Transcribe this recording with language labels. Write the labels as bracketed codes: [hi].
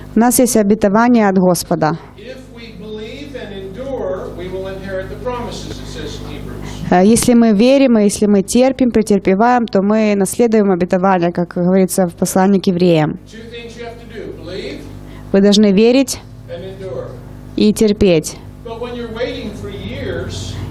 [ru] У нас есть обетование от Господа. [en] If we believe and endure, we will inherit the promises, it says in Hebrews. [ru] Если мы верим и если мы терпим, претерпеваем, то мы наследуем обетование, как говорится в послании к евреям. [en] Two things you have to do. Believe, [ru] вы должны верить [en] and endure. [ru] И терпеть. [en] But when you're waiting for years,